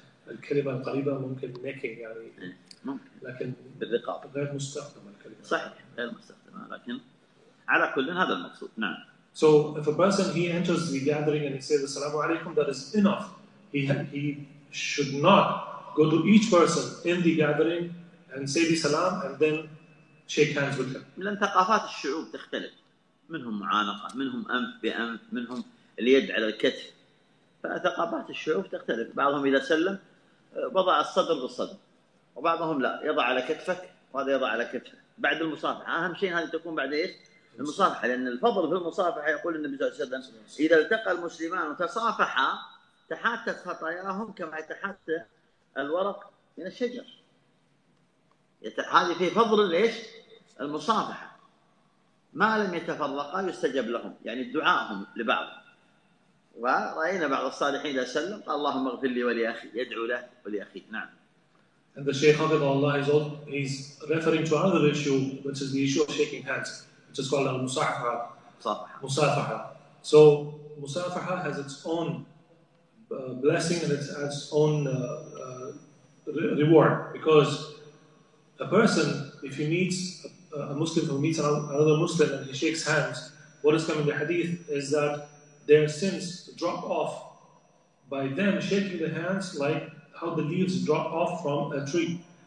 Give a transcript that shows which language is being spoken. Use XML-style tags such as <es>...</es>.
<ar>الكلمة القريبة ممكن نكينج يعني. ممكن. لكن. بالرقاء. غير مستخدم الكلمة. صحيح غير مستخدم لكن على كل هذا المقصود نعم.</ar> <en>So if a person he enters the gathering and he says</en> <ar>السلام عليكم</ar> <en>that is enough. He should not go to each person in the gathering and say the salam and then shake hands with him.</en> <ar>لأن ثقافات الشعوب تختلف. منهم معانقة، منهم أنف بأنف، منهم اليد على الكتف. فثقافات الشعوب تختلف. بعضهم إذا سلم وضع الصدر بالصدر. وبعضهم لا، يضع على كتفك وهذا يضع على كتفه. بعد المصافحة، أهم شيء هذه تكون بعد إيش؟ المصافحة، لأن الفضل في المصافحة يقول النبي صلى الله عليه وسلم إذا التقى المسلمان وتصافحا تحاتت خطاياهم كما يتحات الورق من الشجر. هذه في فضل ليش؟ المصافحة. ما لم يتفرقا يستجب لهم، يعني دعاءهم لبعض. ورأينا بعض الصالحين إذا سلم قال اللهم اغفر لي ولأخي، يدعو له ولأخي. نعم.</ar> <en>And the Shaykh of Allah is all, he's referring to another issue, which is the issue of shaking hands, which is called al-musafaha. Musafaha. So musafaha has its own blessing and it has its own reward, because a person, if he meets a Muslim who meets another Muslim and he shakes hands, what is coming in the hadith is that their sins drop off by them shaking the hands like how the leaves drop off from a tree.</en>